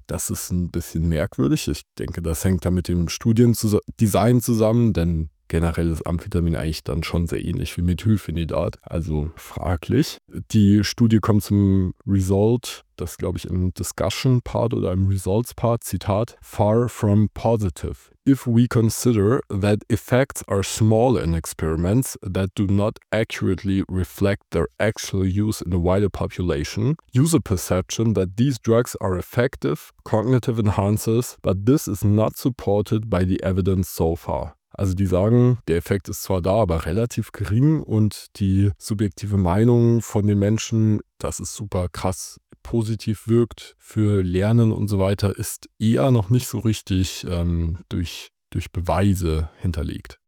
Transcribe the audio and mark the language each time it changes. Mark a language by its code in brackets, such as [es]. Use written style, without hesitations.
[de] Das ist ein bisschen merkwürdig. Ich denke, das hängt da mit dem Studiendesign zusammen, denn generell ist Amphetamin eigentlich dann schon sehr ähnlich wie Methylphenidat, also fraglich. Die Studie kommt zum Result, das glaube ich im Discussion-Part oder im Results-Part, Zitat, [en] far from positive. If we consider that effects are small in experiments that do not accurately reflect their actual use in a wider population, user perception that these drugs are effective, cognitive enhancers, but this is not supported by the evidence so far. [de] Also die sagen, der Effekt ist zwar da, aber relativ gering, und die subjektive Meinung von den Menschen, dass es super krass positiv wirkt für Lernen und so weiter, ist eher noch nicht so richtig durch Beweise hinterlegt.